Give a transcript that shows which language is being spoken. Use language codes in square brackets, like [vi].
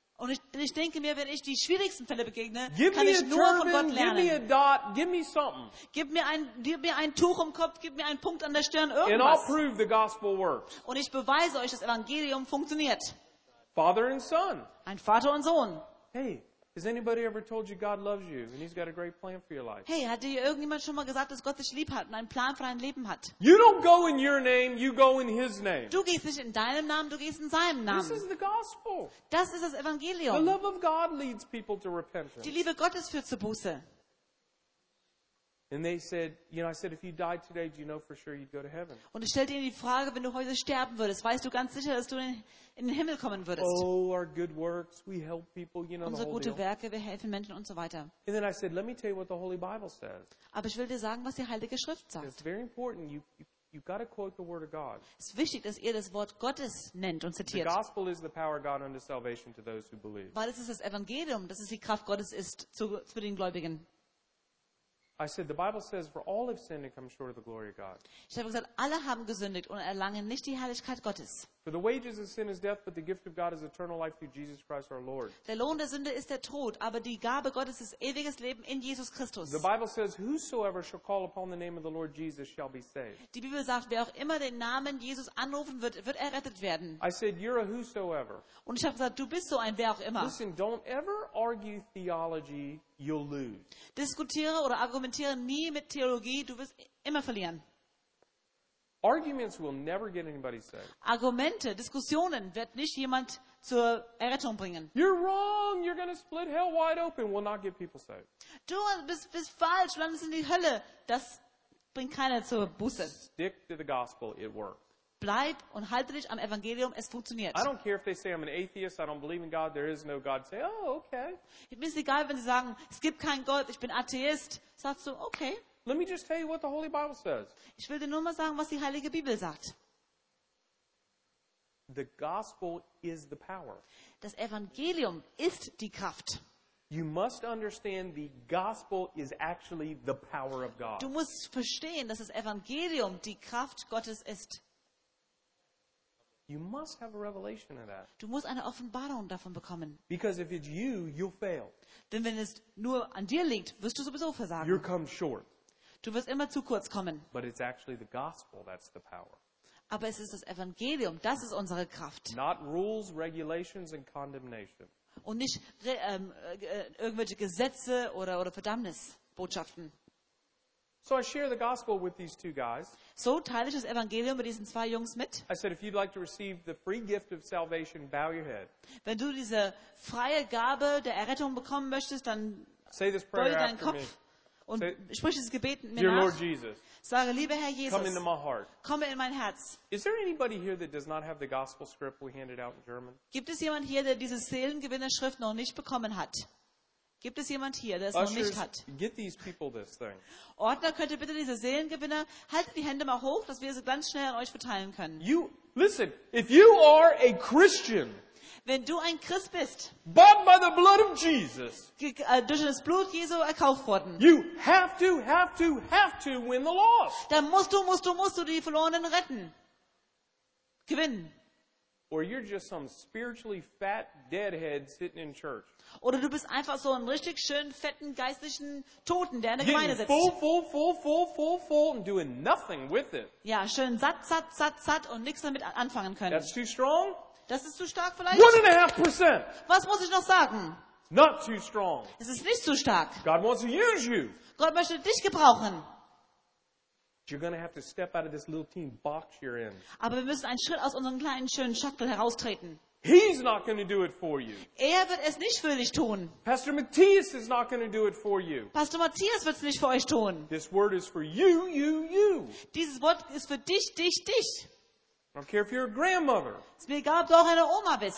[de] Und ich denke mir, wenn ich die schwierigsten Fälle begegne, [en] give [de] kann ich nur von Gott lernen. [en] Give me a dot, give me something. [de] Gib mir ein Tuch um Kopf, gib mir einen Punkt an der Stirn, irgendwas. [en] And I'll prove the gospel works. [de] Und ich beweise euch, das Evangelium funktioniert. [en] Father and son. [de] Ein Vater und Sohn. [en] Hey. Has anybody ever told you God loves you and he's got a great plan for your life? [de] Hey, hat dir irgendjemand schon mal gesagt, dass Gott dich lieb hat und einen Plan für dein Leben hat? [en] You don't go in your name, you go in his name. [de] Du gehst nicht in deinem Namen, du gehst in seinem Namen. [en] This is the gospel. [de] Das ist das Evangelium. [en] The love of God leads people to repentance. [de] Die Liebe Gottes führt zur Buße. [en] And they said, you know, I said, if you died today, do you know for sure you'd go to heaven? [de] Und ich stellte ihnen die Frage, wenn du heute sterben würdest, weißt du ganz sicher, dass du in den Himmel kommen würdest? [en] Oh, our good works, we help people, you know. [de] Unsere gute Werke, wir helfen Menschen und so weiter. [en] And then I said, let me tell you what the Holy Bible says. [de] Aber ich will dir sagen, was die Heilige Schrift sagt. [en] It's very important. You've got to quote the Word of God. [de] Es ist wichtig, dass ihr das Wort Gottes nennt und zitiert. [en] The gospel is the power of God unto salvation to those who believe. [de] Weil es ist das Evangelium, dass es die Kraft Gottes ist zu den Gläubigen. [en] I said the Bible says for all have sinned and come short of the glory of God. [de] Ich habe gesagt, alle haben gesündigt und erlangen nicht die Herrlichkeit Gottes. [en] For the wages of sin is death, but the gift of God is eternal life through Jesus Christ our Lord. [de] Der Lohn der Sünde ist der Tod, aber die Gabe Gottes ist ewiges Leben in Jesus Christus. [en] The Bible says whosoever shall call upon the name of the Lord Jesus shall be saved. [de] Die Bibel sagt, wer auch immer den Namen Jesus anrufen wird, wird errettet werden. [en] I said you're a whosoever. [de] Und ich habe gesagt, du bist so ein wer auch immer. [en] Listen, don't ever argue theology, you'll lose. [de] Diskutiere oder argumentiere nie mit Theologie, du wirst immer verlieren. [en] Arguments will never get anybody saved. [de] Argumente, Diskussionen wird nicht jemand zur Errettung bringen. [en] You're wrong. You're going to split hell wide open. Will not get people saved. [de] Du bist falsch. Du landest in die Hölle. Das bringt keiner zur Buße. [en] Stick to the gospel. It works. [de] Bleib und halte dich am Evangelium. Es funktioniert. [en] I don't care if they say I'm an atheist. I don't believe in God. There is no God. Say, oh, okay. [de] Mir ist egal, wenn sie sagen, es gibt keinen Gott. Ich bin Atheist. Sagst du, okay. [en] Let me just tell you what the Holy Bible says. [de] Ich will dir nur mal sagen, was die Heilige Bibel sagt. [en] The gospel is the power. [de] Das Evangelium ist die Kraft. [en] You must understand the gospel is actually the power of God. [de] Du musst verstehen, dass das Evangelium die Kraft Gottes ist. [en] You must have a revelation of that. [de] Du musst eine Offenbarung davon bekommen. [en] Because if it's you, you'll fail. [de] Denn wenn es nur an dir liegt, wirst du sowieso versagen. [en] You'll come short. [de] Du wirst immer zu kurz kommen. [en] But it's actually the gospel that's the power. [de] Aber es ist das Evangelium, das ist unsere Kraft. [en] Not rules, regulations and condemnation. [de] Und nicht irgendwelche Gesetze oder Verdammnisbotschaften. [en] So I share the gospel with these two guys. [de] So teile ich das Evangelium mit diesen zwei Jungs mit. [en] I said, if you'd like to receive the free gift of salvation, bow your head. [de] Wenn du diese freie Gabe der Errettung bekommen möchtest, dann [en] say this prayer [de] beuge deinen [en] after [de] Kopf. [en] Me. [de] Und sprich dieses Gebet mit mir [en] dear [de] nach. [en] Lord Jesus, [de] sage, lieber Herr Jesus, [en] come into my heart. [de] Komme in mein Herz. [en] Is there anybody here that does not have the gospel script we handed out in German? [de] Gibt es jemand hier, der diese Seelengewinnerschrift noch nicht bekommen hat? Gibt es jemand hier, der es [en] Ushers, [de] noch nicht hat? [en] Get these people this thing. [de] Ordner, könnt ihr bitte diese Seelengewinner, haltet die Hände mal hoch, dass wir sie ganz schnell an euch verteilen können. [en] You, listen, if you are a Christian, [de] wenn du ein Christ bist, [en] bought by the blood of Jesus, [de] durch das Blut Jesu erkauft worden, [en] you have to win the lost. [de] Dann musst du die Verlorenen retten. Gewinnen. [en] Or you're just some spiritually fat deadhead sitting in church. [de] Oder du bist einfach so ein richtig schön fetten geistlichen Toten, der in der Gemeinde sitzt. [en] Full and doing nothing with it. [de] Ja, schön satt und nichts damit anfangen können. [en] That's too strong. [de] Das ist zu stark vielleicht? 1.5%. Was muss ich noch sagen? [en] Not too strong. [de] Es ist nicht zu stark. [en] God wants to use you. [de] Gott möchte dich gebrauchen. [en] You're going to have to step out of this little teen box you're in. [de] Aber wir müssen einen Schritt aus unserem kleinen schönen Schachtel heraustreten. [en] He's not going to do it for you. [de] Er wird es nicht für dich tun. [en] Pastor Matthias is not going to do it for you. [de] Pastor Matthias wird es nicht für euch tun. [en] This word is for you. [de] Dieses Wort ist für dich. [en] I don't care if you're a grandmother. [de] Es mir egal, ob du auch eine Oma bist.